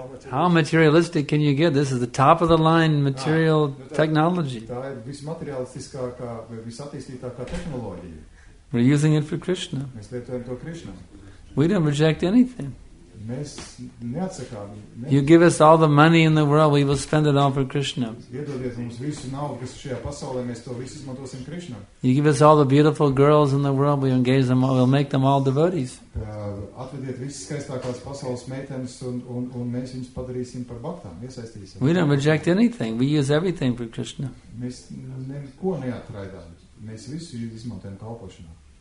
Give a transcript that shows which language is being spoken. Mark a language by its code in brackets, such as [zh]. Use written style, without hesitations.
[en] How materialistic can you get? This is the top of the line material technology. [lv] Tā ir vismateriālistiskākā, visattīstītākā tehnoloģija. [en] We're using it for Krishna. [lv] Mēs lietojam to Krishna. [en] We don't reject anything. [lv] Mēs neatsakām, mēs [en] you give us all the money in the world, we will spend it all for Krishna. [lv] Iedodiet mums visu naudu, kas šajā pasaulē, mēs to visu izmantosim Krishna. [en] You give us all the beautiful girls in the world, we engage them all, we'll make them all devotees. [lv] Atvediet visas skaistākās pasaules meitenes un mēs viņus padarīsim par baktām, iesaistīsim. [en] We don't reject anything, we use everything for Krishna. [lv] Mēs neko neatraidām, mēs visu izmantojam kalpošanā.